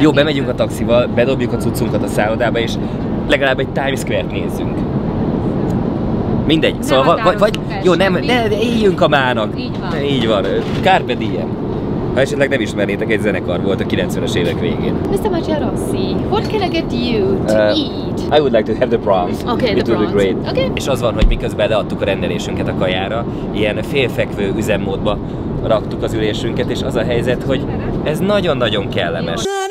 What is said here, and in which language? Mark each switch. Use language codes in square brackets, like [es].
[hu] Jó, bemegyünk a taxival, bedobjuk a cuccunkat a szállodába, és legalább egy Times Square-t nézzünk. Mindegy, nem szóval vagy jó, nem, ne, éljünk a mának. Így van. Így van. Carpe diem. Ha esetleg nem ismernétek, egy zenekar volt a 90-es évek végén. [en] Mr. Magyarossi, what can I get you to eat? I would like to have the prawns. Okay, it would be great. Okay. [hu] És az van, hogy miközben leadtuk a rendelésünket a kajára, ilyen félfekvő üzemmódba raktuk az ülésünket, és az a helyzet, hogy ez nagyon-nagyon kellemes.